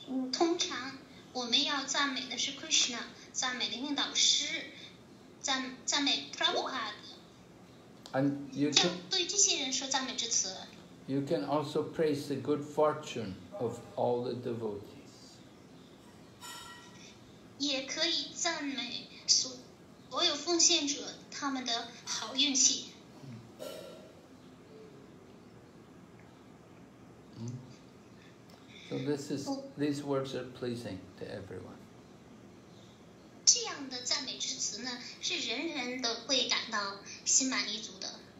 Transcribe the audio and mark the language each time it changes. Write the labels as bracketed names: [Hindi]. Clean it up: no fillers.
[Chinese] 通常我们要赞美的是 Krishna, 赞美灵性导师，赞美 Prabhupada. [English] And you can [Chinese] 对这些人说赞美之词。 [English] You can also praise the good fortune of all the devotees. [Chinese] 也可以赞美所有奉献者他们的好运气。 [English] So this is, these words are pleasing to everyone. [Chinese] 这样的赞美之词呢，是人人都会感到心满意足的。